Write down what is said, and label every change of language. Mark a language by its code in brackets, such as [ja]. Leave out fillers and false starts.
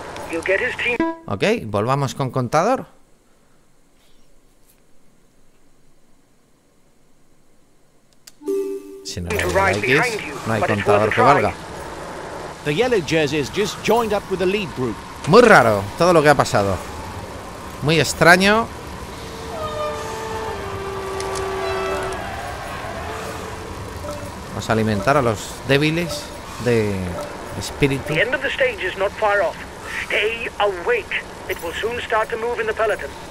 [en] You'll get his team. [es] Ok, volvamos con contador. Si no hay X, no hay contador que valga. [en] The yellow jersey's just joined up with the lead group. [es] Muy raro todo lo que ha pasado. Muy extraño. Vamos a alimentar a los débiles de espíritu. [en] The end of the stage is not far off. Stay awake. It will soon start to move in the peloton.